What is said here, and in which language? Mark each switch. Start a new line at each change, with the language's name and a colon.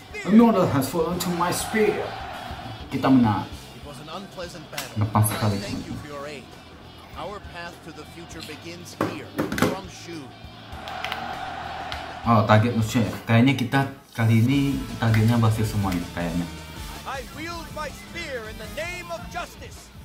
English: Another has fallen to my spear.
Indonesian: Kita menang. Lepas sekali.
English: Our path to the future begins here, from Shu.
Indonesian: Oh, target musuhnya. Kayaknya kita kali ini targetnya berhasil semua ini, kayaknya.
English: I wield my spear in the name of justice.